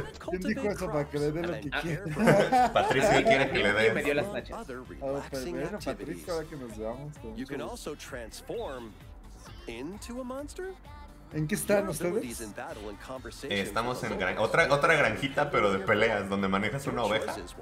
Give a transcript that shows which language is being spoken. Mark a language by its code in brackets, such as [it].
[es] ¿Quién dijo eso para que le dé lo que quiera? Patricio quiere que le dé. Me dio las tachas. Bueno, Patricio, ahora que nos veamos. [en] You can also transform into a monster. [es] ¿En qué están ustedes? Estamos en otra granjita, pero de peleas, donde manejas una oveja.